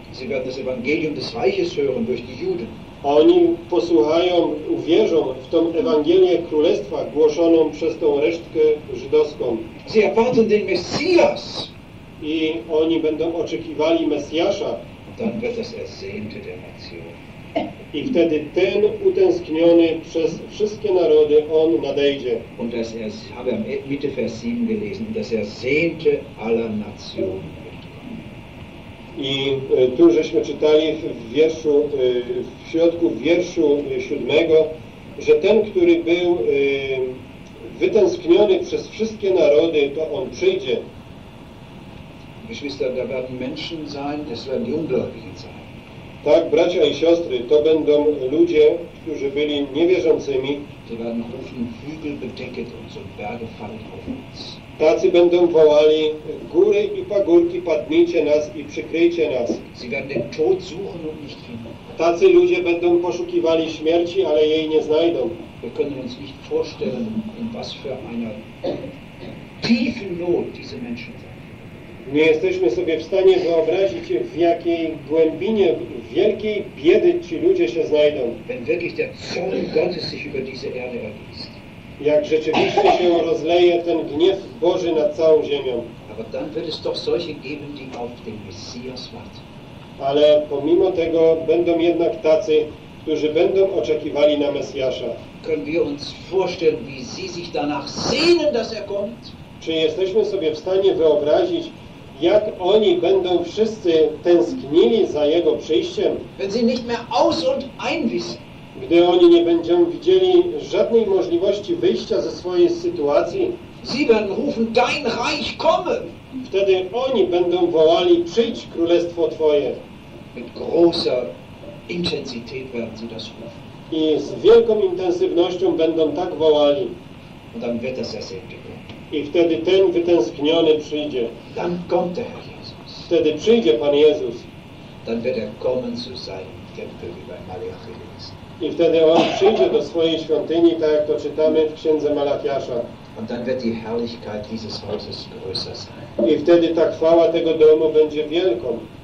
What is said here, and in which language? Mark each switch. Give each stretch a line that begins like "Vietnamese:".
German: Sie werden das Evangelium des Reiches hören durch die Juden.
Polish: A oni posłuchają, uwierzą w tą Ewangelię Królestwa głoszoną przez tą resztkę żydowską.
German: Sie erwarten den Messias.
Polish: I oni będą oczekiwali Mesjasza.
German: Dann wird das ersehnte der Nation.
Polish: I wtedy ten utęskniony przez wszystkie narody, on nadejdzie.
German: Und das habe am Mitte Vers 7 gelesen, das ersehnte aller Nationen.
Polish: I tu żeśmy czytali w wierszu, w środku wierszu siódmego, że ten, który był wytęskniony przez wszystkie narody, to on przyjdzie.
German: Geschwister, da werden Menschen sein, das werden die Ungläubigen sein.
Polish: Tak, bracia i siostry, to będą ludzie, którzy byli niewierzącymi.
German: Die werden rufen, Hügel bedecket uns und Berge fallen auf uns.
Polish: Tacy będą wołali, góry i pagórki, padnijcie nas i przykryjcie nas.
German: Sie werden den Tod suchen und nicht finden.
Polish: Tacy ludzie będą poszukiwali śmierci, ale jej nie znajdą.
German: Wir können uns nicht vorstellen, in was für einer tiefen Not diese Menschen sind.
Polish: Nie jesteśmy sobie w stanie wyobrazić, w jakiej głębinie wielkiej biedy ci ludzie się znajdą.
German: Wenn wirklich der Zorn Gottes sich über diese Erde ergießt.
Polish: Jak rzeczywiście się rozleje ten gniew Boży nad całą ziemią.
German: Aber dann wird es doch solche geben, die auf den Messias warten.
Polish: Ale pomimo tego będą jednak tacy, którzy będą oczekiwali na Mesjasza.
German: Können wir uns vorstellen, wie sie sich danach sehnen, dass er kommt?
Polish: Czy jesteśmy sobie w stanie wyobrazić, jak oni będą wszyscy tęsknili za Jego przyjściem?
German: Wenn sie nicht mehr aus und ein wissen.
Polish: Gdy oni nie będą widzieli żadnej możliwości wyjścia ze swojej sytuacji.
German: Sie werden rufen, dein Reich komme.
Polish: I wtedy oni będą wołali: przyjdź królestwo Twoje.
German: Mit großer Intensität werden sie das rufen.
Polish: I z wielką intensywnością będą tak wołali.
German: Und dann wird das Ersehnte.
Polish: I wtedy ten wytęskniony przyjdzie.
German: Dann kommt der Herr Jesus.
Polish: Wtedy przyjdzie Pan Jezus.
German: Dann wird kommen zu seinem Tempel wie bei Malachi.
Polish: I wtedy on przyjdzie do swojej świątyni, tak jak to czytamy w księdze Malachiasza.
German: Und dann wird die Herrlichkeit dieses Hauses größer sein.
Polish: I wtedy ta chwała tego domu będzie wielką.